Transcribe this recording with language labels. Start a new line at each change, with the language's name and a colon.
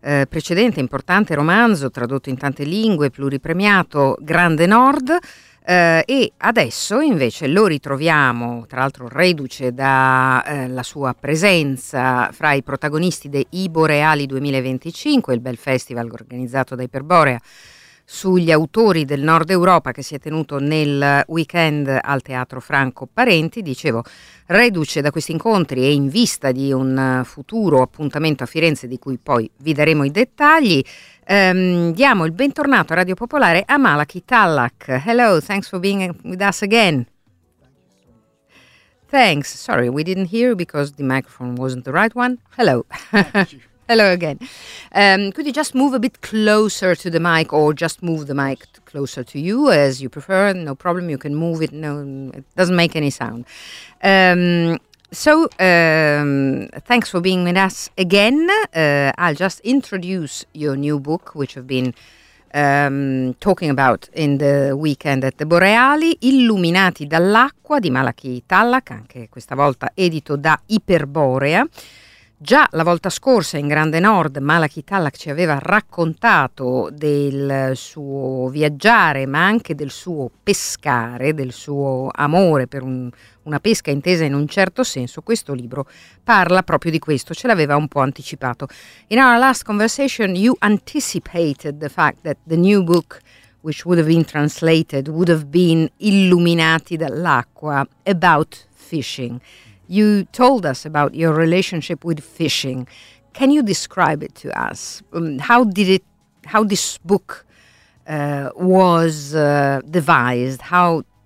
Italian: precedente importante romanzo tradotto in tante lingue, pluripremiato, Grande Nord, e adesso invece lo ritroviamo, tra l'altro reduce dalla sua presenza fra i protagonisti dei Iboreali 2025, il bel festival organizzato da Iperborea sugli autori del Nord Europa che si è tenuto nel weekend al Teatro Franco Parenti. Dicevo, reduce da questi incontri e in vista di un futuro appuntamento a Firenze di cui poi vi daremo i dettagli, diamo il bentornato a Radio Popolare a Malachi Tallack.
English: Hello, thanks for being with us again. Thanks, sorry we didn't hear because the microphone wasn't the right one. Hello. Hello again. Could you just move a bit closer to the mic, or just move the mic closer to you as you prefer? No problem, you can move it. No, it doesn't make any sound. So thanks for being with us again. I'll just introduce your new book, which I've been talking about in the weekend at the Boreali, Illuminati dall'acqua, di Malachi Tallack, anche questa volta edito da Iperborea.
Italian: Già la volta scorsa in Grande Nord Malachi Tallack ci aveva raccontato del suo viaggiare, ma anche del suo pescare, del suo amore per una pesca intesa in un certo senso. Questo libro parla proprio di questo, ce l'aveva un po' anticipato.
English: In our last conversation you anticipated the fact that the new book, which would have been translated, would have been Illuminati dall'acqua, about fishing. You told us about your relationship with fishing. Can you describe it to us? How this book was devised? How?